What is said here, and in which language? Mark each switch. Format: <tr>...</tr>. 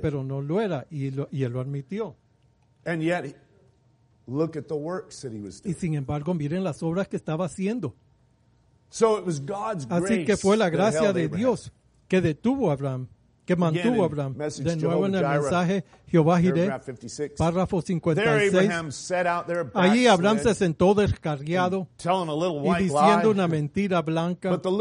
<es>Pero no lo era, y él lo admitió.</es> <en>And yet, look at the works that he was doing.</en> <es>Y sin embargo, miren las obras que estaba haciendo.</es> <en>So it was God's grace.</en> <es>Así que fue la gracia de Dios que detuvo a Abraham, que mantuvo a Abraham. De nuevo en el mensaje Jehová Jireh, párrafo 56. Ahí Abraham se sentó descarriado y diciendo una mentira blanca.</es>